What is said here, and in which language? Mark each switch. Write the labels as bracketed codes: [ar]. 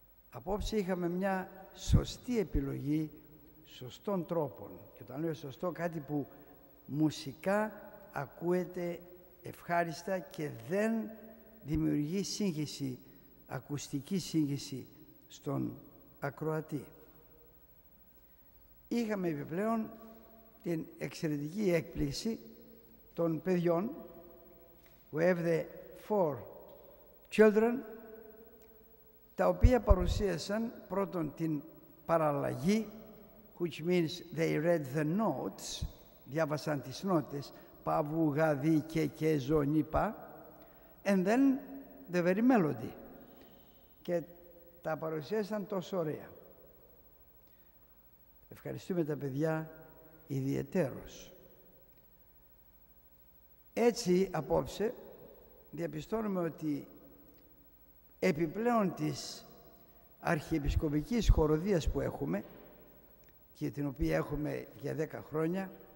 [el] Απόψε είχαμε μια σωστή επιλογή σωστών τρόπων, και όταν λέω σωστό, κάτι που μουσικά ακούεται ευχάριστα και δεν δημιουργεί σύγχυση, ακουστική σύγχυση στον ακροατή. Είχαμε επιπλέον την εξαιρετική έκπληξη των παιδιών. [en] We have the four children, [el] τα οποία παρουσίασαν πρώτον την παραλλαγή, [en] which means they read the notes, [el] διάβασαν τις νότες, παβου, γαδί, και ζω, νίπα, [en] and then the very melody. [el] Και τα παρουσίασαν τόσο ωραία. Ευχαριστούμε τα παιδιά ιδιαιτέρως. Έτσι, απόψε, διαπιστώνουμε ότι επιπλέον της αρχιεπισκοπικής χοροδίας που έχουμε και την οποία έχουμε για 10 χρόνια,